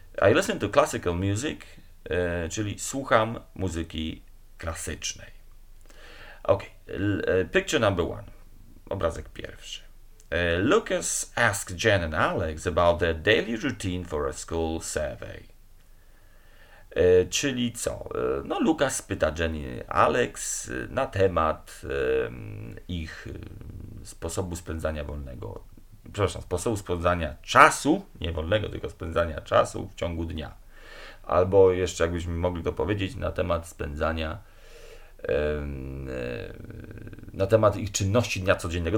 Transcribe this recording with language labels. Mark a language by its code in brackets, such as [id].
[en] I listen to classical music, czyli słucham muzyki klasycznej. Ok, picture number one, obrazek pierwszy. Lucas asks Jen and Alex about their daily routine for a school survey. [pl] Czyli co? No, Lucas pyta Jen i Alex na temat ich sposobu spędzania wolnego, przepraszam, sposobu spędzania czasu, nie wolnego, tylko spędzania czasu w ciągu dnia. Albo jeszcze jakbyśmy mogli to powiedzieć, na temat spędzania na temat ich czynności dnia codziennego.